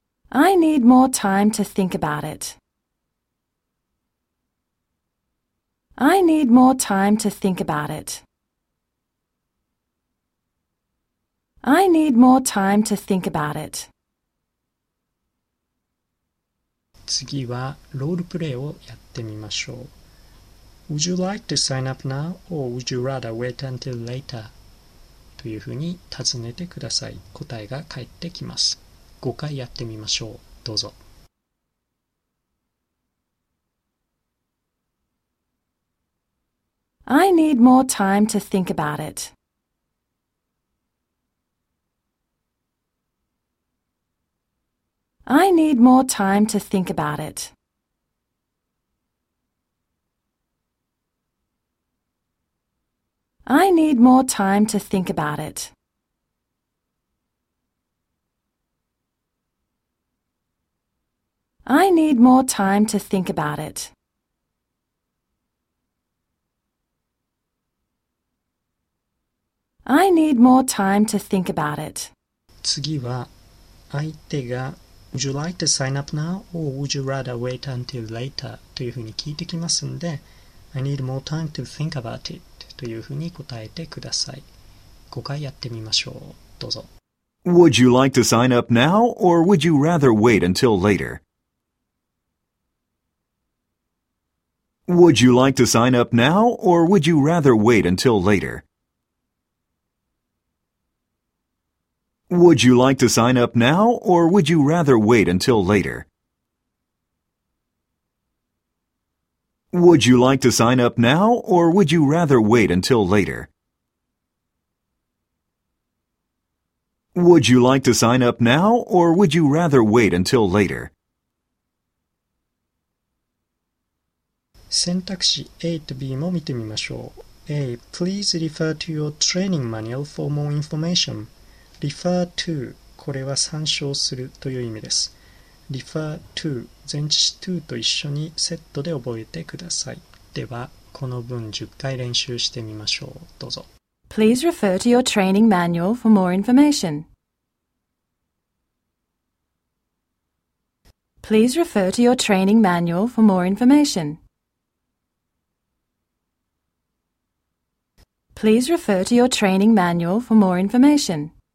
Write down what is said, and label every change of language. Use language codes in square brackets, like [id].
[en] I need more time to think about it. I need more time to think about it. I need more time to think about it. [ja] 次はロールプレイをやってみましょう。 [en] Would you like to sign up now or would you rather wait until later? [ja] というふうに尋ねてください。答えが返ってきます。5回やってみましょう。どうぞ。 [en] I need more time to think about it. I need more time to think about it. I need more time to think about it. I need more time to think about it. I need more time to think about it. [ja] 次は相手が [en] Would you like to sign up now or would you rather wait until later? [ja] というふうに聞いてきますので [en] I need more time to think about it. [ja] というふうに答えてください。 5回やってみましょう。どうぞ。 [en] Would you like to sign up now or would you rather wait until later? Would you like to sign up now or would you rather wait until later? Would you like to sign up now or would you rather wait until later? Would you like to sign up now or would you rather wait until later? Would you like to sign up now or would you rather wait until later? [ja] 選択肢 A と B も見てみましょう。 [en] A. Please refer to your training manual for more information. Refer to [ja] これは参照するという意味です。 [en] Refer to [ja] 前置詞 to と一緒にセットで覚えてください。ではこの文10回練習してみましょう。どうぞ。 [en] Please refer to your training manual for more information. Please refer to your training manual for more information. Please refer to your training manual for more information.